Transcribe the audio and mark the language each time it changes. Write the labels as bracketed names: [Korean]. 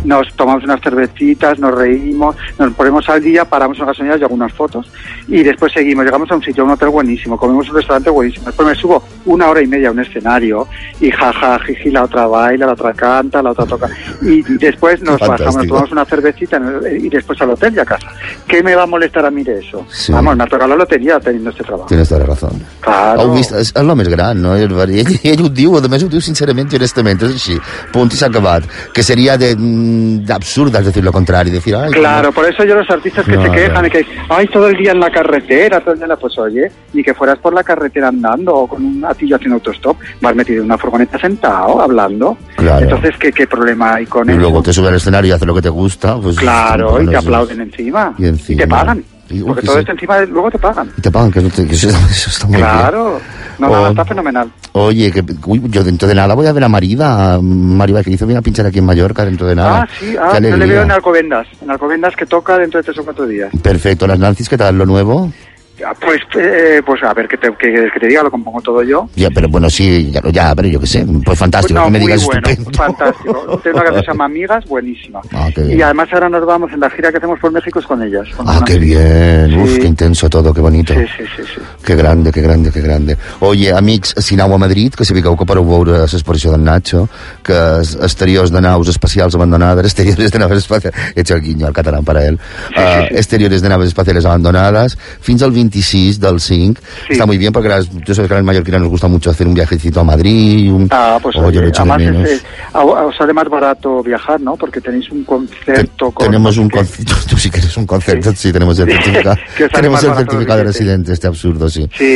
[Spanish] Nos tomamos unas cervecitas, nos reímos, nos ponemos al día, paramos una gasolinera, yo hago unas fotos y después seguimos, llegamos a un sitio, a un hotel buenísimo, comemos un restaurante buenísimo, después me subo una hora y media a un escenario y jaja, jiji, la otra baila, la otra canta, la otra toca, y después nos fantástico. Bajamos, nos tomamos una cervecita y después al hotel y a casa. ¿Qué me va a molestar a mí de eso? Sí. Vamos, me ha tocado la lotería teniendo este trabajo. Tienes toda la razón. Claro. [Catalan] Es el més gran, ¿no? Ell ho diu, a més ho diu sincerament i honestament, és així. Punt i s'ha acabat. Que seria d'absurd, és a dir, lo contrari. [Spanish] Decir, ay, claro, por eso yo los artistas que se quejan y que ay, todo el día en la carretera, todo el día en la... Pues oye, ni que fueras por la carretera andando o con un atillo haciendo autostop, vas metido en una furgoneta sentado, hablando. Claro. Entonces, ¿qué problema hay con y eso? Y luego te subes al escenario y haces lo que te gusta. Pues, claro, y te aplauden encima. Y encima. Y te pagan. Porque todo esto encima luego te pagan. Y te pagan, que, no te, que eso está muy claro. Bien. Claro, no, está fenomenal. Oye, que yo dentro de nada voy a ver a Marida, Mariva, que dice, voy a pinchar aquí en Mallorca dentro de nada. Ah, sí, ah, yo le veo en Alcobendas, que toca dentro de 3 o 4 días. Perfecto, las Nancy's, ¿qué tal lo nuevo? Pues pues a ver, que te diga, lo compongo todo yo. Ya, pero bueno, sí, ya, pero yo qué sé, pues fantástico, pues que me digas bueno, estupendo. Fantástico, tengo una que se llama Amigas, buenísima. Ah, y además ahora nos vamos en la gira que hacemos por México con ellas. Con ah, qué bien, sí. Uf, qué intenso todo, qué bonito. Sí, sí, sí, sí. Qué grande, qué grande, qué grande. [Catalan] Oye, amics, si aneu a Madrid, que si vingueu que podeu veure l'exposició del Nacho, que exteriors de naus espacials abandonades, exteriors de naves espacials, ets el guinyo, el català per a ell, exteriors de naves espacials abandonades, fins al 26 del 5, sí. [Spanish] Está muy bien porque yo sé que a las mallorquinas nos gusta mucho hacer un viajecito a Madrid, pues os sale más barato viajar, ¿no? Porque tenéis un concierto tenemos un concierto, tú sí que eres un concierto, sí, tenemos el certificado de residente, este absurdo, sí.